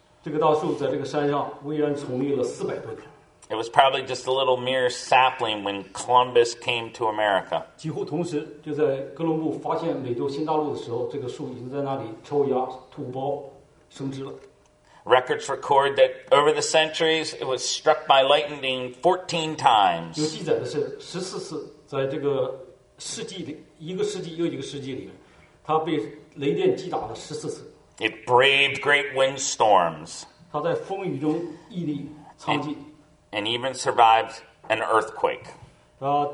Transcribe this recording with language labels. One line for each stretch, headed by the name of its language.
Chinese: 这个大树在这个山上巍然耸立了400多年。
English: It was probably just a little mere sapling when Columbus came to America.
Chinese: 几乎同时，就在哥伦布发现美洲新大陆的时候，这个树已经在那里抽芽、吐苞、生枝了。
English: Records record that over the centuries, it was struck by lightning 14 times.
Chinese: 有记载的是14次，在这个世纪里，一个世纪又一个世纪里面，它被雷电击打了14次。
English: It braved great windstorms.
Chinese: 它在风雨中屹立苍劲。
English: And even survived an earthquake.